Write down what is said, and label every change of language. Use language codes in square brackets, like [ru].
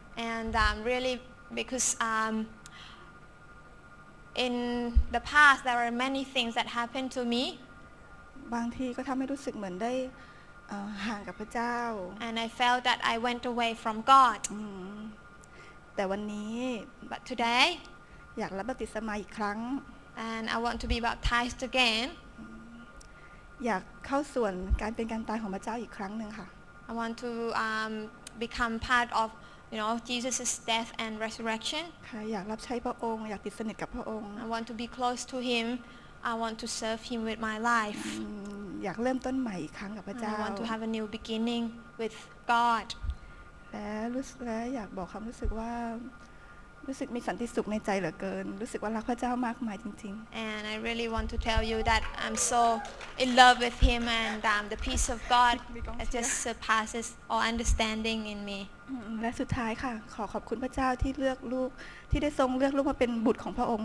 [en] and really because in the past there are many things that happened to me [th] บางทีก็ทำให้รู้สึกเหมือนได้ห่างกับพระเจ้า [en] and I felt that I went away from God [th] แต่วันนี้ [en] but today [th] อยากรับบัพติศมาอีกครั้ง [en] and I want to be baptized again [th] อยากเข้าส่วนการเป็นการตายของพระเจ้าอีกครั้งนึงค่ะ [en] I want to become part of, you know, Jesus's death and resurrection. [th] ค่ะอยากรับใช้พระองค์อยากติดสนิทกับพระองค์ [en] I want to be close to Him. I want to serve Him with my life. [th] อยากเริ่มต้นใหม่อีกครั้งกับพระเจ้า [en] I want to have a new beginning with God. [th] และอยากบอกความรู้สึกว่า รู้สึกมีสันติสุขในใจเหลือเกินรู้สึกว่ารักพระเจ้ามากมายจริง [en] ๆ And I really want to tell you that I'm so in love with him and the peace of God just surpasses all understanding in me [th] และสุดท้ายค่ะขอขอบคุณพระเจ้าที่เลือกลูกที่ได้ทรงเลือกลูกมาเป็นบุตรของพระองค